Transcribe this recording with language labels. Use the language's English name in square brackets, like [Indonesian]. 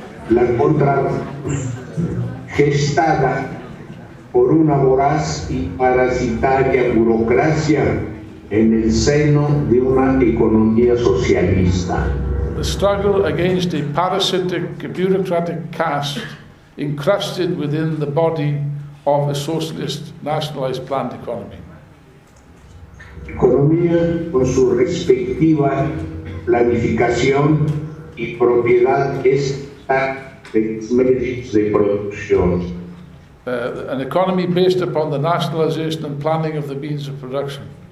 [Spanish] La contra gestada por una voraz y parasitaria burocracia en el seno de una economía socialista. [English] The struggle against a parasitic bureaucratic caste encrusted within the body of a socialist nationalized planned economy. [Spanish] Economía con su respectiva planificación y propiedad esta de medios de producción. [English] An economy based upon the nationalization and planning of the means of production.